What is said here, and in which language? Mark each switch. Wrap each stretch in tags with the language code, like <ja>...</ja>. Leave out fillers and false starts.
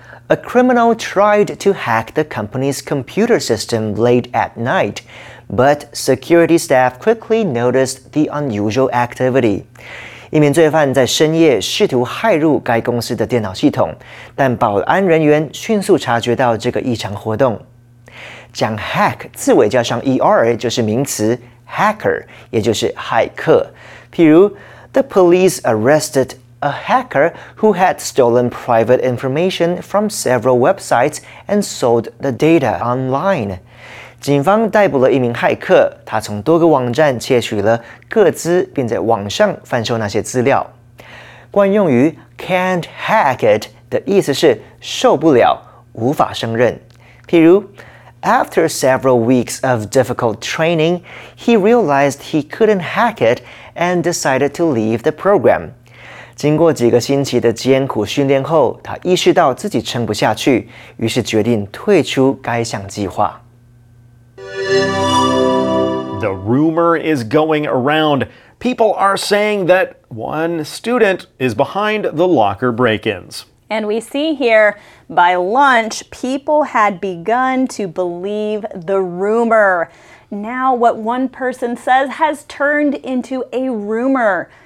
<en>A criminal tried to hack the company's computer system late at night, but security staff quickly noticed the unusual activity.</en> <zh>一名罪犯在深夜试图骇入该公司的电脑系统，但保安人员迅速察觉到这个异常活动。将 hack 字尾加上 er 就是名词 hacker， 也就是骇客。譬如</zh> <en>，The police arrested a hacker who had stolen private information from several websites and sold the data online.</en> <zh>警方逮捕了一名骇客，他从多个网站窃取了个资，并在网上贩售那些资料。惯用于 can't hack it 的意思是受不了，无法胜任。譬如</zh> <en>，After several weeks of difficult training, he realized he couldn't hack it and decided to leave the program.</en> <zh>经过几个星期的艰苦训练后，他意识到自己撑不下去，于是决定退出该项计划。</zh> <en>The rumor is going around. People are saying that one student is behind the locker break-ins. And we see here, by lunch, people had begun to believe the rumor. Now what one person says has turned into a rumor.</en>